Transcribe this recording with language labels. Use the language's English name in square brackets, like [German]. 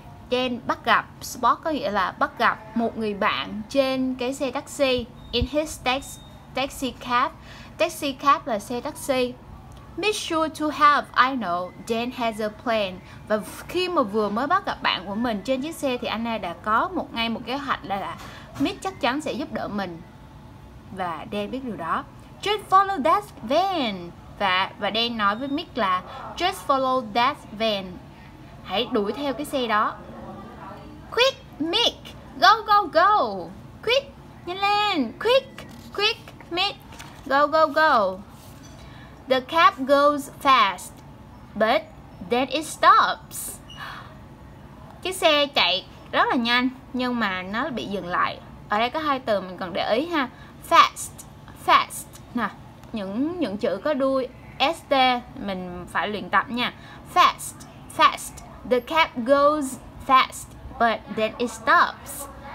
[Vietnamese] Dan bắt gặp, spot có nghĩa là bắt gặp một người bạn trên cái xe taxi. [English] In his taxi cab [Vietnamese] là xe taxi. [English] Make sure to have, I know, Dan has a plan. [Vietnamese] Và khi mà vừa mới bắt gặp bạn của mình trên chiếc xe thì anh ấy đã có một kế hoạch là Mitch chắc chắn sẽ giúp đỡ mình. Và Dan biết điều đó. [English] Just follow that van. [Vietnamese] Và Dan nói với Mitch là [English] just follow that van. [Vietnamese] Hãy đuổi theo cái xe đó. [English] Quick, Mick, go. Quick, [Vietnamese] nhanh lên. [English] Quick, Mick, go. The cab goes fast, but then it stops. [Vietnamese] Cái xe chạy rất là nhanh, nhưng mà nó bị dừng lại. Ở đây có hai từ mình cần để ý ha. Fast. Nè, những chữ có đuôi ST mình phải luyện tập nha. [English] Fast. The cab goes fast, but then it stops.